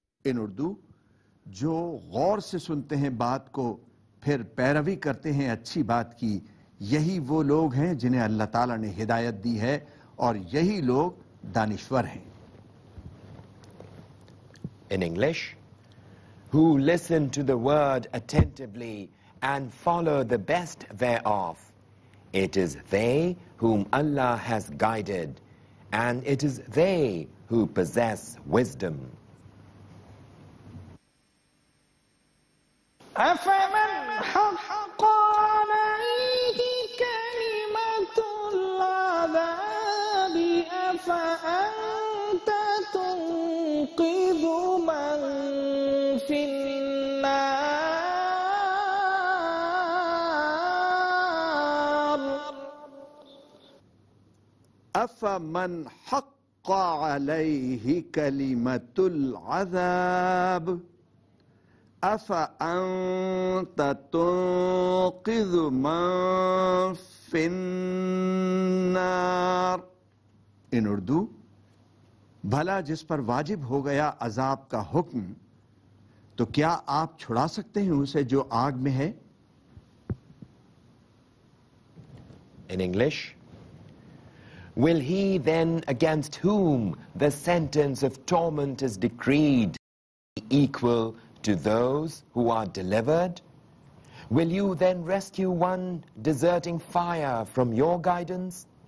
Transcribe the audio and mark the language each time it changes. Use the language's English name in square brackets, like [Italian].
[English] ان اردو [Urdu] جو غور سے سنتے ہیں بات کو پھر پیروی کرتے ہیں اچھی بات کی یہی وہ لوگ ہیں جنہیں اللہ تعالیٰ نے ہدایت دی ہے اور یہی لوگ دانشور ہیں. [English] In English, who listen to the word attentively and follow the best thereof, it is they whom Allah has guided, and it is they who possess wisdom. [Arabic] أفمن حق عليه كلمة العذاب أفأنت تنقذ من في النار. أفمن حق عليه كلمة العذاب أفأنت تنقذ من في النار. [English] ان اردو [Urdu] بھلا جس پر واجب ہو گیا عذاب کا حکم تو کیا آپ چھڑا سکتے ہیں اسے جو آگ میں ہے. [English] In English, will he then against whom the sentence of torment is decreed be equal to those who are delivered? Will you then rescue one deserting fire from your guidance?